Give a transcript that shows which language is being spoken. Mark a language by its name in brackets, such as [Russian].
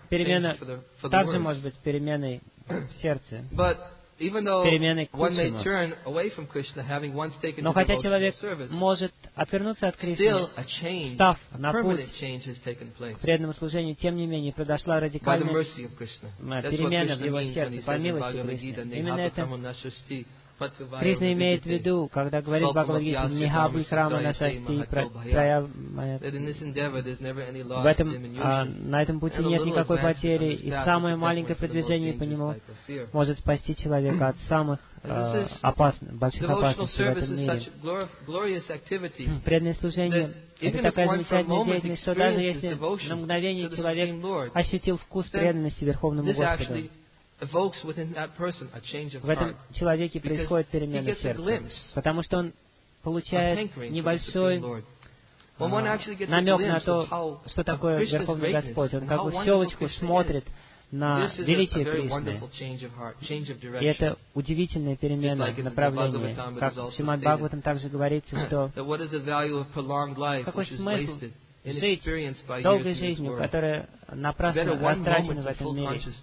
[Russian] перемена также может быть переменой в сердце. [English] Even though one may turn away from Krishna, having once taken the devotional service, [Russian] может отвернуться от Кришны, [English] still a change, a permanent change has taken place. [Russian] В преданном служении, тем не менее, произошла радикальная перемена в его сердце. [English] That's what Krishna means when he says in Bhagavad Gita, "Nihabha Kama Nashasti." [Russian] Кришна имеет в виду, когда говорит Бхагавад Гите, «Нихабхи храма нашасти прая майя». В этом, на этом пути нет никакой потери, и самое маленькое продвижение по нему может спасти человека от самых больших опасностей в этом мире. Преданное служение — это такая замечательная деятельность, что даже если на мгновение человек ощутил вкус преданности Верховному Господу, [English] evokes within that person a change of heart. [Russian] В этом человеке происходит перемена сердца, потому что он получает небольшой намек на то, что такое Верховный Господь. Он как бы щелочку смотрит на величие Кришны. И это удивительная перемена направления. Как в Шримад Бхагаватам также говорится, что какой смысл жить долгой жизнью, которая напрасно растрачена в этом мире?